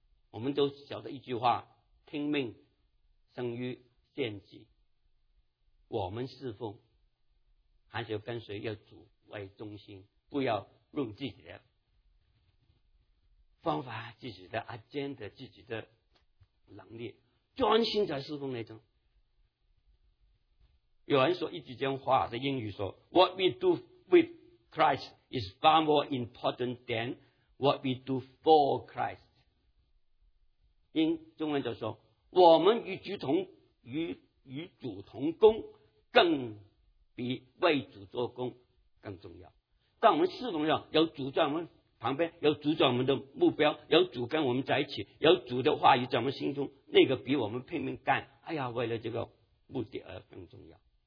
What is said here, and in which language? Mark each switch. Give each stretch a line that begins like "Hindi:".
Chinese: 我们都晓得一句话，听命胜于献祭，我们侍奉还是要跟随要主为中心，不要用自己的方法，自己的 agenda， 自己的能力，专心在侍奉那种。有人说一句真话，这英语说
English: What we do with Christ is far more important than what we do for Christ。
Chinese: 英中文就说我们与主同与主同工更比为主做工更重要。当我们侍奉上有主在我们旁边，有主在我们的目标，有主跟我们在一起，有主的话语在我们心中，那个比我们拼命干，哎呀，为了这个目的而更重要。